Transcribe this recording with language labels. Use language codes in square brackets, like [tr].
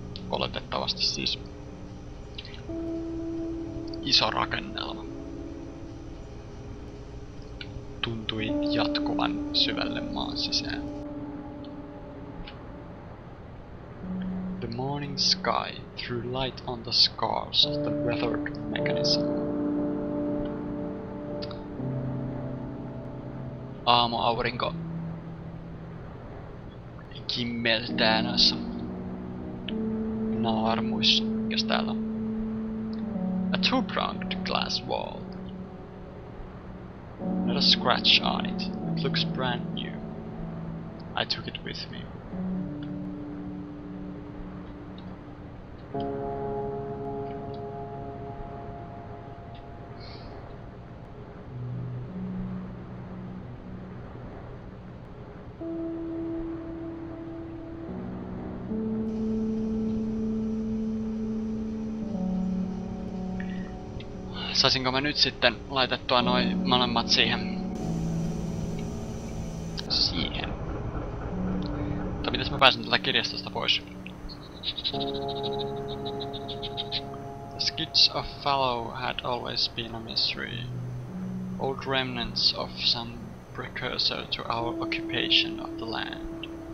[fi] Oletettavasti siis iso rakennelma. Tuntui jatkuvan syvälle maan sisään. [en] The morning sky threw light on the scars of the weathered mechanism. [fi] Aamuaurinko kimmeltää noissa naarmuissa, jos täällä on. [en] A two-pronged glass wall. Not a scratch on it. It looks brand new. I took it with me. [fi] Saisinko mä nyt sitten laitettua noin molemmat siihen? Siihen. Mutta mites mä pääsen tätä kirjastosta pois? [en] The skits of Fallow had always been a mystery. Old remnants of some precursor to our occupation of the land.